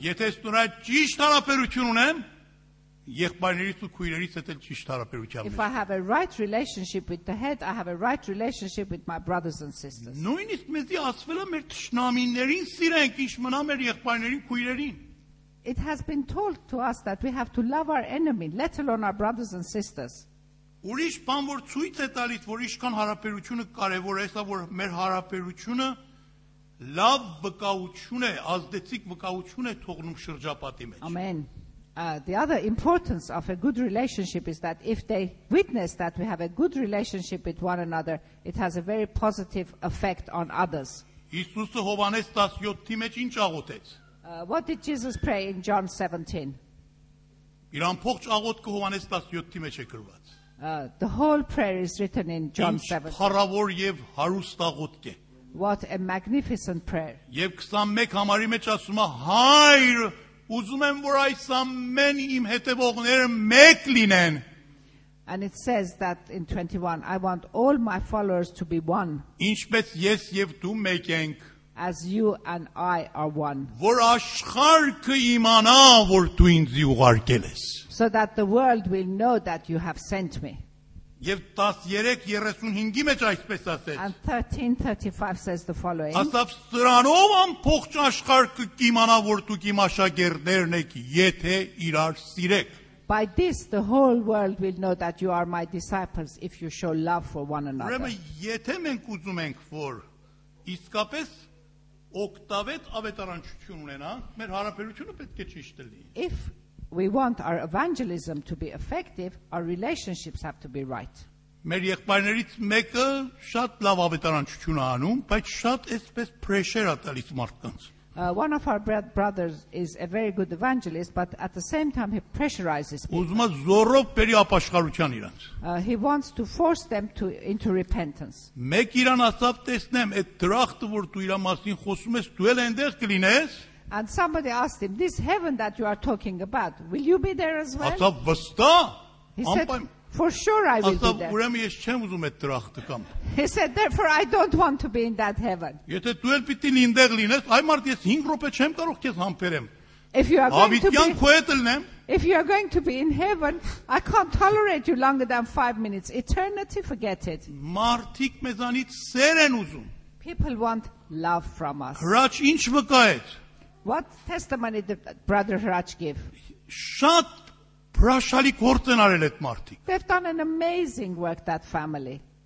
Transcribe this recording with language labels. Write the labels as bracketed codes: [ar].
[hy] Եթե ես նրա ճիշտ հարաբերություն ունեմ, եղբայրներից ու քույրերից հետ էլ ճիշտ հարաբերություն ունեմ. [en] If I have a right relationship with the head, I have a right relationship with my brothers and sisters. [hy] Նույնիսկ մեզի ասվել է մեր թշնամիներին սիրենք, ինչ մնա մեր եղբայրներին, քույրերին. [en] It has been told to us that we have to love our enemy, let alone our brothers and sisters. [hy] Ուրիշ բան որ ցույց է տալիս, որ ինչքան հարաբերությունը կարևոր է, այսա որ մեր հարաբերությունը Լավ վկայություն է, ազդեցիկ վկայություն է թողնում շրջապատի մեջ։ [en] Amen. The other importance of a good relationship is that if they witness that we have a good relationship with one another, it has a very positive effect on others. [hy] Հիսուսը Հովհանես 17-ի մեջ ինչ աղոթեց։ [en] What did Jesus pray in John 17? [hy] Իր ամբողջ աղոթքը Հովհանես 17-ի մեջ է գրված։ [en] The whole prayer is written in John 17. [hy] Ինչ հարավոր եւ հարուստ աղոթք է։ [en] What a magnificent prayer. [hy] Եվ 21 համարի մեջ ասում է Հայր, ուզում եմ որ այս ամեն իմ հետևողները մեկ լինեն. [en] And it says that in 21 I want all my followers to be one. [hy] Ինչպես ես եւ դու մեկ ենք. [en] As you and I are one. [hy] Որ աշխարհը իմանա որ դու ինձ ուղարկել ես. [en] So that the world will know that you have sent me. [hy] Եվ 13:35-ի մեջ այսպես ասել. [en] And 13:35 says the following. [hy] Ասաց սրանով ամբողջ աշխարհը կիմանա, որ դուք իմ աշակերտներն եք, եթե իրար սիրեք. [en] By this the whole world will know that you are my disciples if you show love for one another. [hy] Ուրեմն եթե մենք ուզում ենք, որ իսկապես օկտավետ ավետարանչություն ունենանք, մեր հարաբերությունը պետք է ճիշտ լինի. [en] If we want our evangelism to be effective, our relationships have to be right. [hy] Մեր եղբայրներից մեկը շատ լավ ավետարանչություն է անում, բայց շատ էսպես pressure է տալիս մարդկանց. [en] One of our brothers is a very good evangelist, but at the same time he pressurizes people. [hy] Ուզում է զորով բերի ապաշխարության իրանց. [en] He wants to force them into repentance. [hy] Մեկ իրան ասավ, տեսնեմ, այդ դրախտը, որ դու իրա մասին խոսում ես, դու էլ այնտեղ կլինես? [en] And somebody asked him, this heaven that you are talking about, will you be there as well? [hy] Ասա վստա. [en] He said, for sure I will be there. [hy] Ասա ուրեմն ես չեմ ուզում այդ դրախտը կամ. [en] He said, therefore I don't want to be in that heaven. [hy] Եթե դու էլ պիտի ինտեղ լինես, այ մարդ ես 5 րոպե չեմ կարող քեզ համբերեմ. [en] If you are going to be [hy] Ավիտյան քո հետ լինեմ. [en] If you are going to be in heaven, I can't tolerate you longer than 5 minutes. Eternity, forget it. [hy] Մարդիկ մեզանից սեր են ուզում. [en] People want love from us. [hy] Հրաչ ինչ վկա է? [en] What testimony did Brother Hrach give? [hy] Շատ հրաշալի գործ են արել այդ մարդիկ. [en] They've done an amazing work, that family.